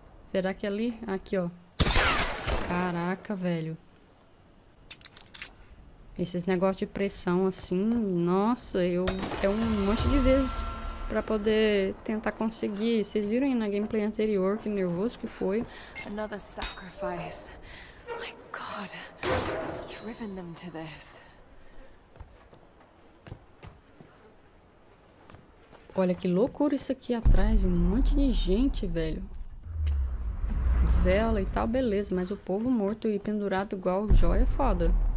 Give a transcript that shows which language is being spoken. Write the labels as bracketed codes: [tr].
[pt] Será que é ali? Aqui, ó. Caraca, velho. Esses negócios de pressão assim, nossa, eu tenho um monte de vezes pra poder tentar conseguir. Vocês viram aí na gameplay anterior que nervoso que foi. [en] Another sacrifice. My God, it's driven them to this. [pt] Olha que loucura isso aqui atrás, um monte de gente, velho. Vela e tal, beleza, mas o povo morto e pendurado igual joia, foda.